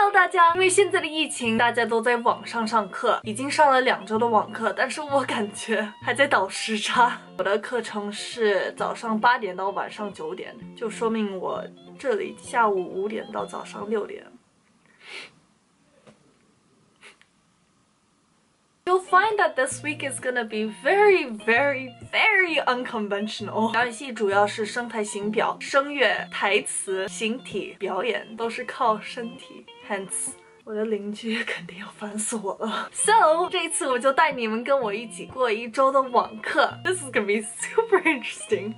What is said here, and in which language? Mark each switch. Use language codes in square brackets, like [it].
[zh] 家，因为现在的疫情，大家都在网上上课，已经上了2周的网课，但是我感觉还在倒时差。我的课程是早上8点到晚上9点，就说明我这里下午5点到早上6点。 [en] You'll find that this week is gonna be very, very, very unconventional. [zh] 表演系主要是声台形表、声乐、台词、形体、表演，都是靠身体。 Hence, 我的邻居肯定要烦死我了。 So, 这一次我就带你们跟我一起过一周的网课。 [en] This is gonna be super interesting.